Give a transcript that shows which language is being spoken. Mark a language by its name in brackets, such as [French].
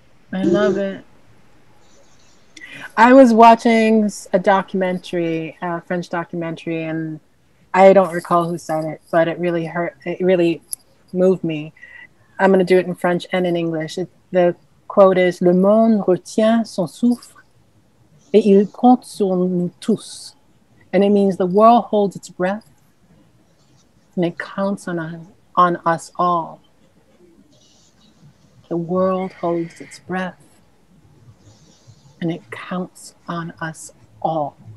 [English] I love it. I was watching a documentary, a French documentary, and I don't recall who said it, but it really moved me. I'm going to do it in French and in English. the quote is, [French] le monde retient son souffle et il compte sur nous tous. [English] And it means the world holds its breath and it counts on us all. The world holds its breath and it counts on us all.